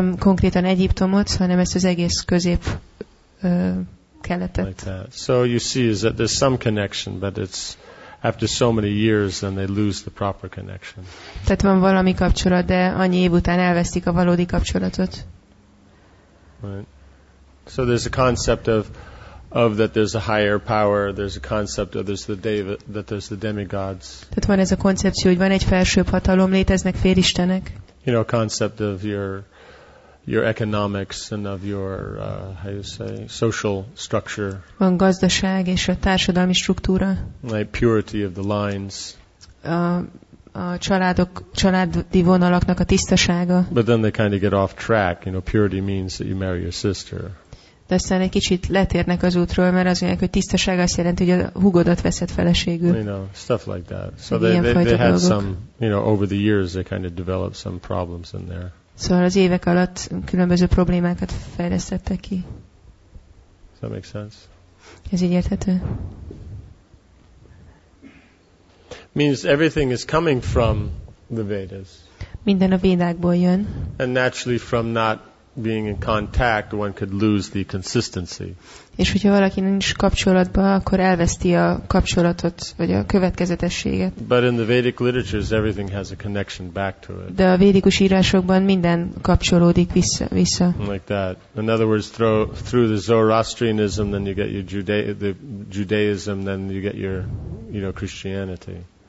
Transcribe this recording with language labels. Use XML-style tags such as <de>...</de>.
<hu>Nem konkrétan Egyiptomot, hanem ezt az egész közép keletet.</hu> <en>Like that. So you see is that there's some connection, but it's after so many years then they lose the proper connection.</en> <hu>Tehát van valami kapcsolat, de annyi év után elvesztik a valódi kapcsolatot.</hu> <en>Right. So there's a concept of that there's a higher power, there's a concept of there's the deva, that there's the demigods.</en> <hu>Tehát van ez a koncepció, hogy van egy felsőbb hatalom, léteznek félistenek.</hu> <en>You know, a concept of your economics and of your social structure.</en> <hu>Van gazdaság és a társadalmi struktúra.</hu> <en>Like purity of the lines.</en> <hu>A családok, családi vonalaknak a tisztasága.</hu> <en>But then they kind of get off track. You know, purity means that you marry your sister.</en> <hu>De aztán egy kicsit letérnek az útról, mert az olyan, hogy tisztaság azt jelenti, hogy a húgodat veszed feleségül.</hu> <en>You know, stuff like that. So they had dolgok. Some, you know, over the years they kind of developed some problems in there.</en> <hu>Szóval az évek alatt különböző problémákat fejlesztettek ki.</hu> <en>Does that make sense?</en> <hu>Ez így érthető?</hu> <en>Means everything is coming from the Vedas.</en> <hu>Minden a Védákból jön.</hu> <en>And naturally from not being in contact one could lose the consistency.</en> <hu>És hogyha valaki nincs kapcsolatban, akkor elveszti a kapcsolatot vagy a következetességet.</hu> <en>But in the Vedic literatures everything has a connection back to it.</en> <hu>De a védikus írásokban minden kapcsolódik vissza.</hu> <en>Like that. In other words, through the Zoroastrianism then you get your Judaism then you get your Christianity.</en>